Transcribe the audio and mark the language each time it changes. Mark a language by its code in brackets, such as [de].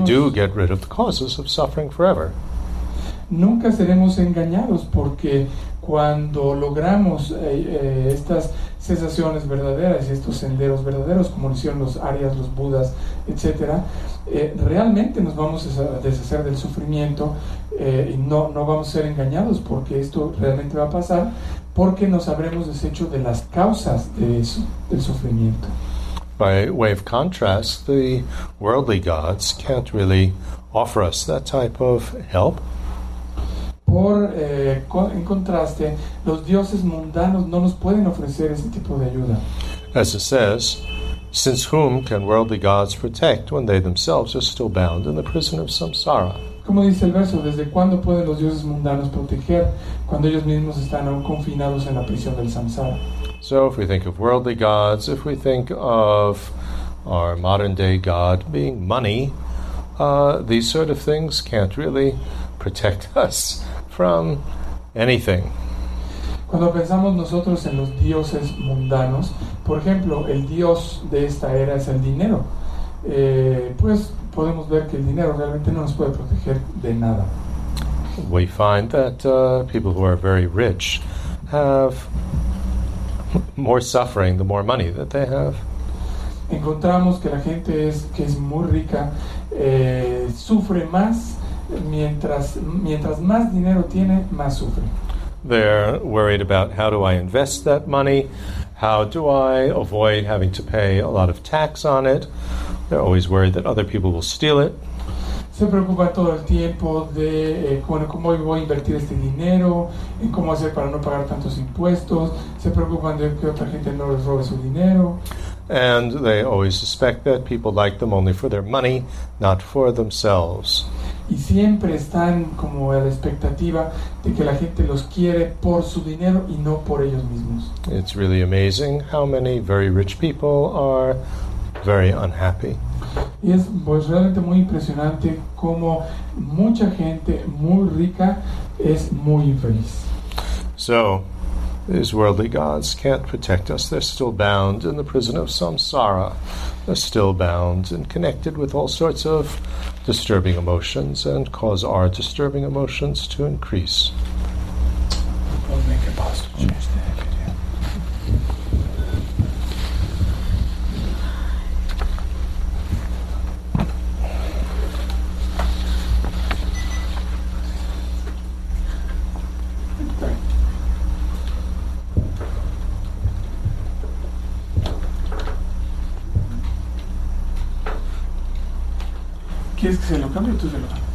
[en] we do get rid of the causes of suffering forever. [es] Nunca seremos engañados, porque cuando logramos estas cesaciones verdaderas y estos senderos verdaderos, como lo hicieron los Aryas, los Budas, etc., realmente nos vamos a deshacer del sufrimiento y no vamos a ser engañados, porque esto realmente va a pasar, porque nos habremos deshecho de las causas de eso, del sufrimiento. [en] By way of contrast, the worldly gods can't really offer us that type of help. [es] En contraste, los dioses mundanos no nos pueden ofrecer ese tipo de ayuda. [en] As it says, since whom can worldly gods protect when they themselves are still bound in the prison of samsara? [es] Como dice el verso, ¿desde cuándo pueden los dioses mundanos proteger cuando ellos mismos están aún confinados en la prisión del samsara? [en] So if we think of worldly gods, if we think of our modern day god being money, these sort of things can't really protect us from anything. [es] Cuando pensamos nosotros en los dioses mundanos, por ejemplo, el dios de esta era es el dinero. Pues podemos ver que el dinero realmente no nos puede proteger de nada. [en] We find that people who are very rich have more suffering the more money that they have. [es] Encontramos que la gente que es muy rica sufre más. Mientras más dinero tiene, más sufre. [en] They're worried about how do I invest that money, how do I avoid having to pay a lot of tax on it. They're always worried that other people will steal it. [es] Se preocupa todo el tiempo de cómo voy a invertir este dinero, en cómo hacer para no pagar tantos impuestos. Se preocupan de que otra gente no les robe su dinero. [en] And they always suspect that people like them only for their money, not for themselves. [es] Y siempre están como a la expectativa de que la gente los quiere por su dinero y no por ellos mismos. [en] It's really amazing how many very rich people are very unhappy. [es] Y es pues realmente muy impresionante cómo mucha gente muy rica es muy infeliz. [en] So, these worldly gods can't protect us. They're still bound in the prison of samsara. They're still bound and connected with all sorts of disturbing emotions and cause our disturbing emotions to increase. We'll make a [es] ¿Quieres que se lo cambie o tú se lo